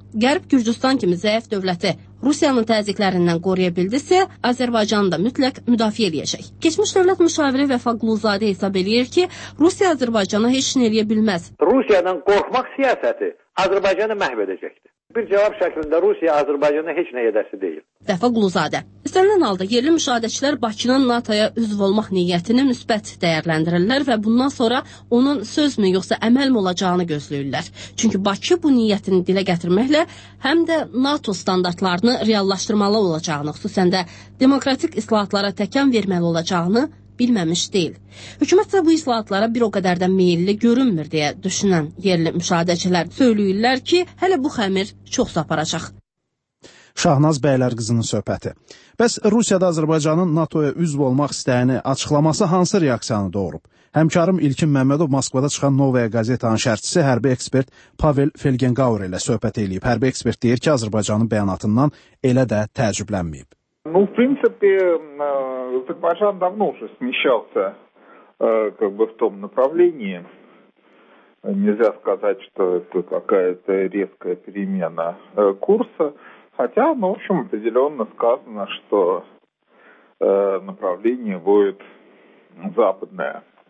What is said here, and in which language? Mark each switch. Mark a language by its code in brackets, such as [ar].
[az] Qərb Gürcüstan kimi zəif dövləti Rusiyanın təzyiqlərindən qoruya bildisə, Azərbaycan da mütləq müdafiə eləyəcək. Keçmiş dövlət müşaviri Vəfa Quluzadə hesab eləyir ki, Rusiya Azərbaycana heç nə eləyə bilməz. Rusiyadan qorxmaq siyasəti Azərbaycanı məhv edəcəkdir. Bir cevap şeklinde Rusya Azerbaycan'a hiç ne yedesi değil. Defa Quluzadə. İstənilən halda yerli müşahidəçilər Bakının NATO-ya üzv olmaq niyyətini müsbət dəyərləndirirlər və bundan sonra onun sözmü yoxsa əməlmi olacağını gözləyirlər. Çünki Bakı bu niyyətini dilə gətirməklə həm də NATO standartlarını reallaşdırmalı olacağını, xüsusən də demokratik islahatlara təkan verməli olacağını bilməmiş deyil. Hökumət isə bu islahatlara bir o qədər də meyilli görünmür deyə düşünən yerli müşahidəçilər söyləyirlər ki, hələ bu xəmir çox aparacaq. Şahnaz bəylər qızının söhbəti. Bəs Rusiyada Azərbaycanın NATO-ya üzv olmaq istəyini açıqlaması hansı reaksiyanı doğurub? Həmkarım İlkin Məmmədov Moskvada çıxan Novaya Qazetanın şərhçisi hərbi ekspert Pavel Felgengaur ilə söhbət eləyib. Hərbi ekspert deyir ki, Azərbaycanın bəyanatından elə də təəccüblənməyib. [ru] Ну, в принципе, Азербайджан давно уже смещался как бы в том направлении. Нельзя сказать, что это какая-то резкая перемена курса. Хотя, ну, в общем, определенно сказано, что направление будет западное.